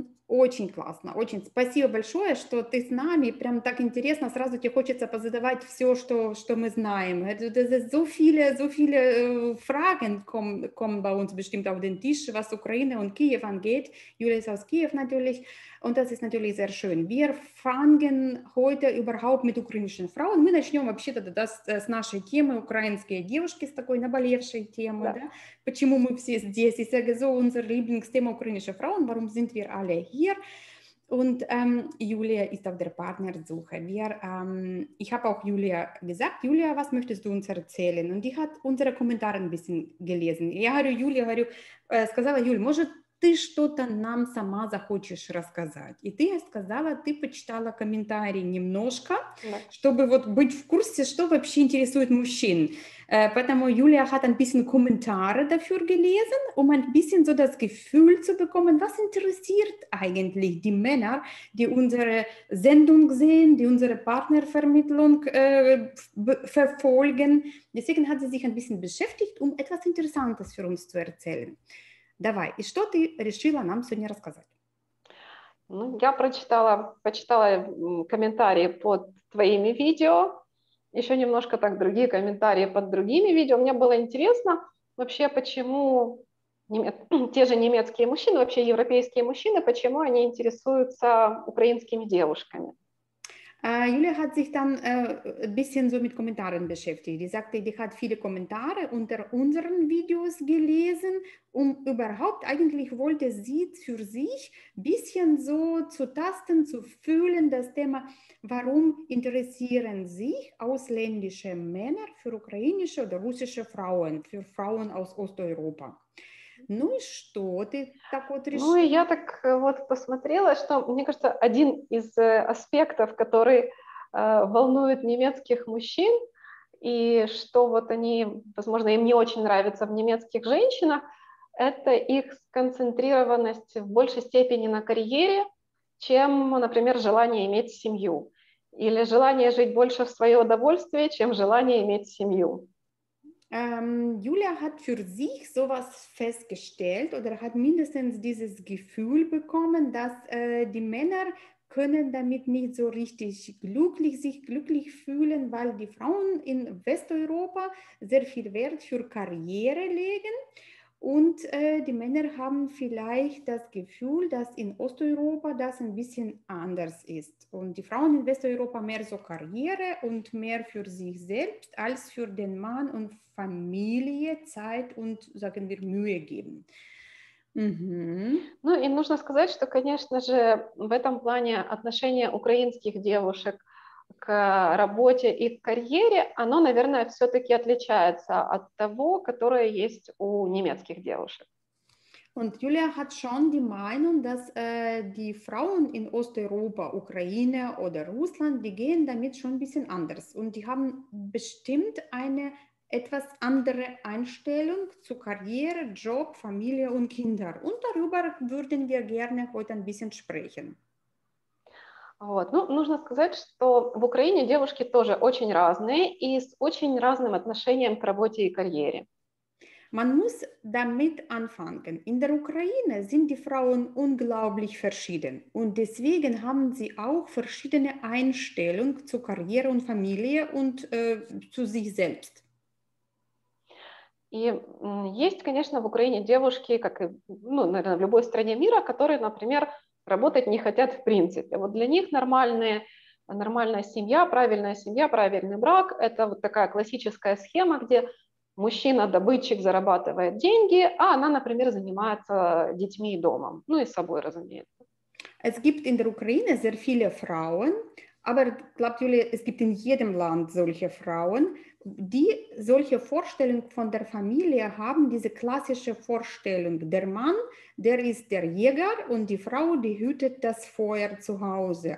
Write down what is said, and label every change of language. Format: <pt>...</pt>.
<ru>Очень классно, очень спасибо большое, что ты с нами, прям так интересно, сразу тебе хочется позадавать все, что мы знаем.</ru> <de>So viele Fragen kommen bei uns bestimmt auf den Tisch, was Ukraine und Kiew angeht. Julia ist aus Kiew natürlich und das ist natürlich sehr schön. Wir fangen heute überhaupt mit ukrainischen Frauen.</de> <ru>Мы начнем вообще-то с нашей темы, украинские девушки, с такой наболевшей темы, да. Почему мы все здесь?</ru> <de>Ich sage so, unser Lieblingsthema ukrainische Frauen, warum sind wir alle hier? Und Julia ist auf der Partnersuche. Ich habe auch Julia gesagt, Julia, was möchtest du uns erzählen? Und die hat unsere Kommentare ein bisschen gelesen.</de> <uk>Я говорю, Юлія, говорю, сказала, Юль, може ти щось нам сама захочеш розказати? І ти сказала, ти почитала коментарі немножко, щоб вот бути в курсі, що вообще интересует мужчин.</uk> <ru>Поэтому</ru> <de>Julia hat ein bisschen Kommentare dafür gelesen, um ein bisschen so das Gefühl zu bekommen, was interessiert eigentlich die Männer, die unsere Sendung sehen, die unsere Partnervermittlung verfolgen. Deswegen hat sie sich ein bisschen beschäftigt, um etwas Interessantes für uns zu erzählen.</de> <ru>Давай, и что ты решила нам сегодня рассказать? Ну, я почитала комментарии под твоими видео, еще немножко так другие комментарии под другими видео. Мне было интересно вообще, почему те же немецкие мужчины, вообще европейские мужчины, почему они интересуются украинскими девушками.</ru> <de>Julia hat sich dann ein bisschen so mit Kommentaren beschäftigt. Die sagte, die hat viele Kommentare unter unseren Videos gelesen, um überhaupt, eigentlich wollte sie für sich ein bisschen so zu tasten, zu fühlen, das Thema, warum interessieren sich ausländische Männer für ukrainische oder russische Frauen, für Frauen aus Osteuropa.</de> <ru>Ну и что ты так вот решила? Ну и я так вот посмотрела, что, мне кажется, один из аспектов, который волнует немецких мужчин, и что вот они, возможно, им не очень нравится в немецких женщинах, это их сконцентрированность в большей степени на карьере, чем, например, желание иметь семью. Или желание жить больше в свое удовольствие, чем желание иметь семью.</ru> <de>Julia hat für sich sowas festgestellt oder hat mindestens dieses Gefühl bekommen, dass die Männer können damit nicht so richtig glücklich fühlen, weil die Frauen in Westeuropa sehr viel Wert für Karriere legen Und die Männer haben vielleicht das Gefühl, dass in Osteuropa das ein bisschen anders ist. Und die Frauen in Westeuropa mehr so Karriere und mehr für sich selbst als für den Mann und Familie Zeit und, sagen wir, Mühe geben.</de> <ru>Ну и нужно сказать, что, конечно же, в этом плане отношение украинских девушек к работе и к карьере, оно, наверное, все-таки отличается от того, которое есть у немецких девушек.</ru> <de>Und Julia hat schon die Meinung, dass die Frauen in Osteuropa, Ukraine oder Russland, die gehen damit schon ein bisschen anders. Und die haben bestimmt eine etwas andere Einstellung zu Karriere, Job, Familie und Kinder. Und darüber würden wir gerne heute ein bisschen sprechen.</de> <ru>Вот. Ну, нужно сказать, что в Украине девушки тоже очень разные и с очень разным отношением к работе и карьере.</ru> <de>Man muss damit anfangen. In der Ukraine sind die Frauen unglaublich verschieden und deswegen haben sie auch verschiedene Einstellungen zu Karriere und Familie und zu sich selbst.</de> <ru>И есть, конечно, в Украине девушки, как и, ну, наверное, в любой стране мира, которые, например, работать не хотят в принципе. Вот для них нормальная семья, правильный брак – это вот такая классическая схема, где мужчина-добытчик зарабатывает деньги, а она, например, занимается детьми и домом, ну и собой, разумеется.</ru> <de>Es gibt in der Ukraine sehr viele Frauen, aber glaubt Julia, es gibt in jedem Land solche Frauen, die solche Vorstellung von der Familie haben, diese klassische Vorstellung. Der Mann, der ist der Jäger und die Frau, die hütet das Feuer zu Hause.</de>